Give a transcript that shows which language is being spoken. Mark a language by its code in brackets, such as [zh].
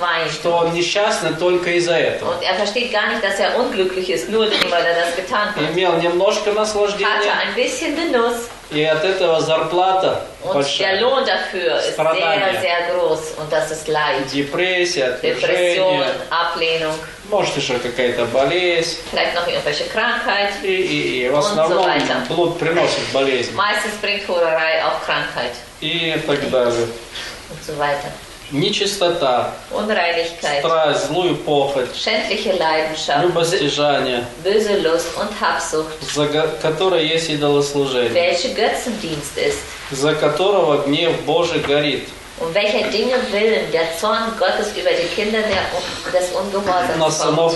[ru] что он несчастный только из-за этого. [de] Und versteht gar nicht, dass unglücklich ist, nur weil das getan hat. [ru] Имел немножко наслаждения. [de] Ein bisschen Genuss. [ru] И от этого зарплата [de] und [ru] большая. [de] Der Lohn dafür [ru] страдания. [de] Ist sehr, sehr groß, und das ist Leid. [ru] Депрессия, отвержение. Может еще какая-то болезнь. [de] Noch irgendwelche Krankheit. [ru] И в основном [de] und so [ru] блуд приносит болезнь. [de] Meistens bringt Hurerei auch Krankheit. [ru] И так далее. [de] Und so weiter. [ru] Нечистота. [de] Unreinigkeit. [ru] Страсть, злую похоть. [de] Schändliche Leidenschaft. [ru] Любостяжание. [de] Böse Lust und Habsucht. [ru] За которой есть идолослужение. [de] Welche Götzendienst ist. [ru] За которого гнев Божий горит. [de] Um welcher Dinge willen der Zorn Gottes über die Kinder des Ungehorsams